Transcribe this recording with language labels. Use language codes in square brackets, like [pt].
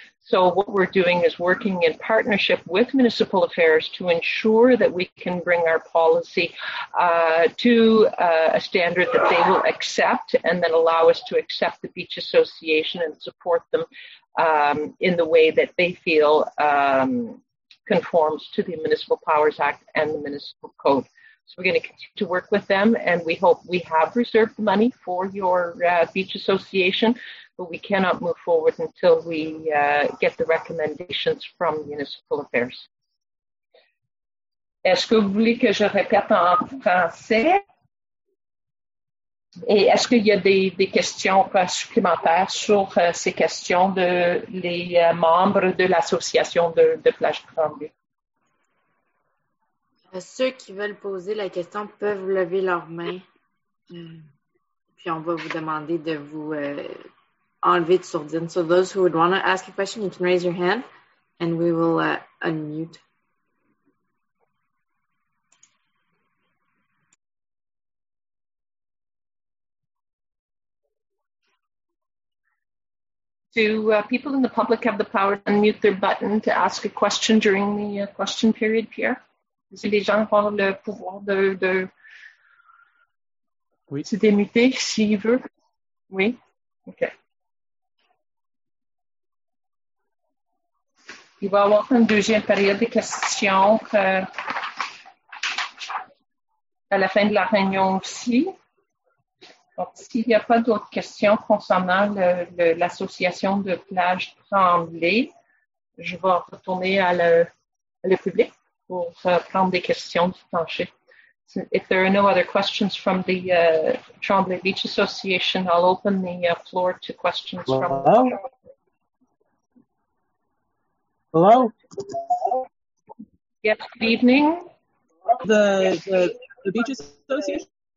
[en] So what we're doing is working in partnership with municipal affairs to ensure that we can bring our policy to a standard that they will accept and then allow us to accept the Beach Association and support them in the way that they feel conforms to the Municipal Powers Act and the Municipal Code. So we're going to continue to work with them, and we hope we have reserved the money for your Beach Association. But we cannot move forward until we get the recommendations from Municipal Affairs. [fr] Est-ce que vous voulez que je répète en français? Et est-ce qu'il y a des questions supplémentaires sur ces questions de les membres de l'association de Plage Grande-Vue? Ceux qui veulent poser la question peuvent lever leurs mains. Puis on va vous demander de vous... [en] So those who would want to ask a question, you can raise your hand and we will unmute. Do people in the public have the power to unmute their button to ask a question during the question period, Pierre? [fr] Si les gens ont le pouvoir de oui. Se démuter, s'il veut. Oui. Okay. Il va y avoir une deuxième période de questions à la fin de la réunion aussi. Donc, s'il n'y a pas d'autres questions concernant l'association de plage Tremblay, je vais retourner à le public pour prendre des questions du plancher. [en] If there are no other questions from the Tremblay Beach Association, I'll open the floor to questions Hello? From Hello? Yes, good evening. The Beach Association?